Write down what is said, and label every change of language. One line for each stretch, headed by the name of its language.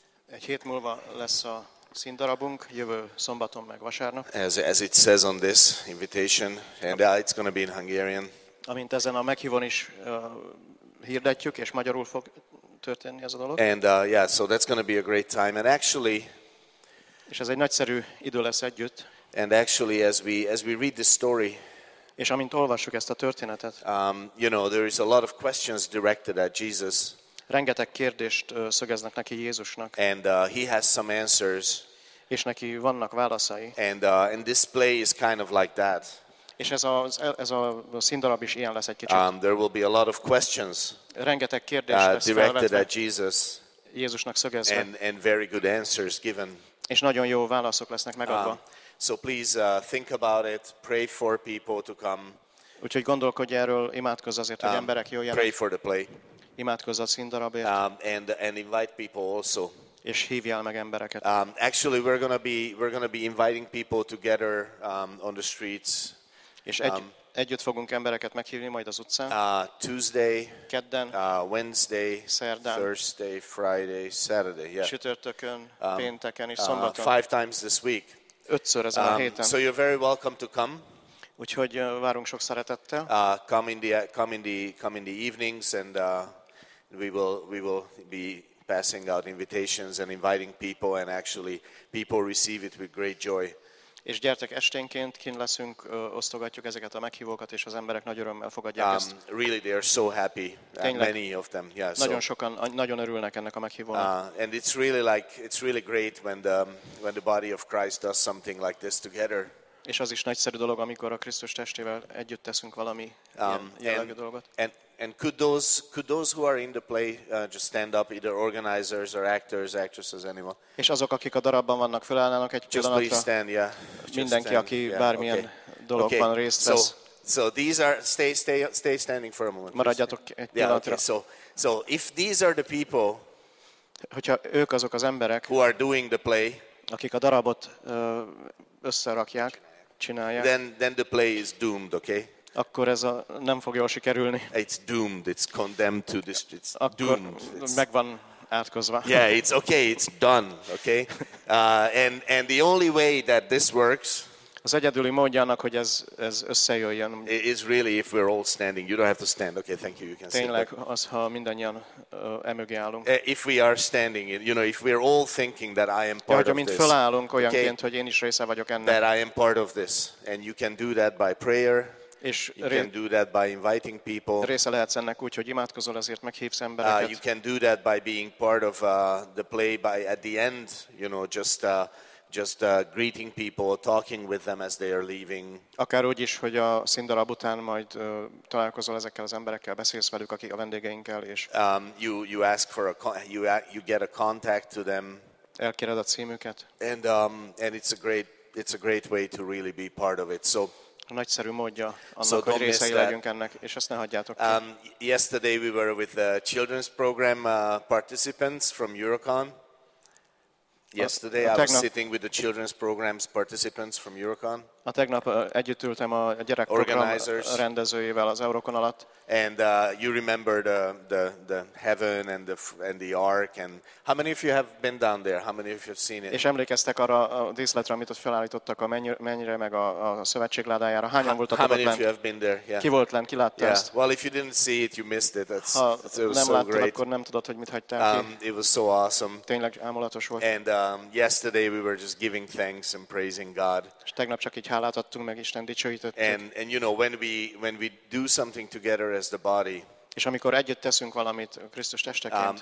Hungarian: Egy hét múlva lesz a színdarabunk, jövő szombaton meg vasárnap.
English: As it says on this invitation, and it's going to be in Hungarian.
Hungarian: Amint ezen a meghívón is hirdetjük, és magyarul fog történni ez a dolog.
English: And so that's going to be a great time. And actually,
Hungarian: és ez egy nagyszerű idő lesz együtt.
English: And actually, as we read the story,
Hungarian: és amint olvassuk ezt a történetet,
English: you know, there is a lot of questions directed at Jesus.
Hungarian: Rengeteg kérdést szögeznek neki Jézusnak.
English: And he has some answers.
Hungarian: És neki vannak válaszai.
English: And this play is kind of like that.
Hungarian: És ez a színdarab is ilyen lesz egy kicsit.
English: There will be a lot of questions.
Hungarian: Rengeteg kérdés lesz
English: directed at Jesus.
Hungarian: Jézusnak szögezve.
English: And very good answers given.
Hungarian: És nagyon jó válaszok lesznek megadva.
English: So please think about it. Pray for people to come.
Hungarian: Úgyhogy gondolkodj erről, imádkozz azért, hogy emberek jöjjenek.
English: Pray for the play.
Hungarian: Imádkozz a színdarabért.
English: And invite people also.
Hungarian: És hívjál meg embereket.
English: Actually we're going to be inviting people together on the streets.
Hungarian: És együtt fogunk embereket meghívni majd az utcán.
English: Tuesday,
Hungarian: kedden,
English: Wednesday,
Hungarian: szerdán,
English: Thursday, Friday, Saturday. Yeah.
Hungarian: Sütörtökön, pénteken és szombaton.
English: Five times this week.
Hungarian: Ötször ezen a héten.
English: So you're very welcome to come.
Hungarian: Úgyhogy várunk sok szeretettel.
English: Come in the evenings and we will be passing out invitations and inviting people, and actually people receive it with great joy.
Hungarian: És gyertek esténként, kint leszünk, osztogatjuk ezeket a meghívókat, és az emberek nagy örömmel fogadják ezt.
English: Really they are so happy.
Hungarian: Tényleg,
English: many of them. Yeah,
Hungarian: nagyon so, sokan nagyon örülnek ennek a meghívónak.
English: And it's really great when the body of Christ does something like this together.
Hungarian: És az is nagyszerű dolog, amikor a Krisztus testével együtt teszünk valami jellegű dolgot.
English: And could those who are in the play just stand up, either organizers or actors, actresses, anyone?
Hungarian: És azok, akik a darabban vannak, fölállnának egy
English: just
Hungarian: pillanatra.
English: Just please stand, yeah.
Hungarian: Mindenki, aki bármilyen dologban részt vesz.
English: So these are stay standing for a moment.
Hungarian: Maradjatok egy pillanatra.
English: Yeah, okay, so if these are the people,
Hungarian: hogyha ők azok az emberek,
English: who are doing the play,
Hungarian: akik a darabot összerakják, csinálják.
English: Then the play is doomed, okay?
Hungarian: Akkor ez a nem fog jól sikerülni.
English: It's doomed. It's condemned to this. It's doomed.
Hungarian: Megvan átkozva.
English: Yeah, it's okay. It's done. Okay. And the only way that this works.
Hungarian: Az egyedüli módja annak, hogy ez összejöjjön.
English: Is really if we're all standing. You don't have to stand. Okay, thank you. You can
Hungarian: tényleg,
English: sit.
Hungarian: Tényleg, az ha mindannyian emögé állunk.
English: If we are standing, you know, if we're all thinking that I am part of this.
Hungarian: Mint fölállunk olyanként, okay, hogy én is része vagyok ennek.
English: That I am part of this, and you can do that by prayer.
Hungarian: És
English: you can do that by inviting people.
Hungarian: Része lehetsz ennek úgy, hogy imádkozol, azért meghívsz embereket.
English: You can do that by being part of the play, by at the end, you know, just greeting people, talking with them as they are leaving.
Hungarian: Akár úgy is, hogy a színdarab után majd találkozol ezekkel az emberekkel, beszélsz velük, akik a vendégeinkkel, és
English: you ask for a you get a contact to them.
Hungarian: Elkéred a címüket.
English: And it's a great way to really be part of it. So
Hungarian: nagyszerű módja annak, so hogy részei legyünk ennek, és ezt ne hagyjátok ki.
English: Yesterday we were with the children's program participants from Eurocon. Yesterday I was sitting with the children's program's participants from Eurocon.
Hungarian: A tegnap együtt ültem a gyerekprogram rendezőjével az Eurocon alatt.
English: And you remember the heaven and the ark, and how many of you have been down there? How many of you have seen it?
Hungarian: És emlékeztek arra a díszletre, amit ott felállítottak a mennyire meg a szövetség ládájára. Hányan voltatok ott lent?
English: How many of you have been there?
Hungarian: Ki volt lent? Ki látta ezt?
English: Well, if you didn't see it, you missed it. That's so great.
Hungarian: Nem láttad, akkor nem tudod, hogy mit hagytál ki.
English: It was so awesome.
Hungarian: Tényleg álmulatos volt.
English: And yesterday we were just giving thanks and praising God.
Hungarian: És tegnap csak így hálát adtunk meg, Isten dicsőítettük.
English: And you know, when we do something together as the body.
Hungarian: És amikor együtt teszünk valamit Krisztus testeként.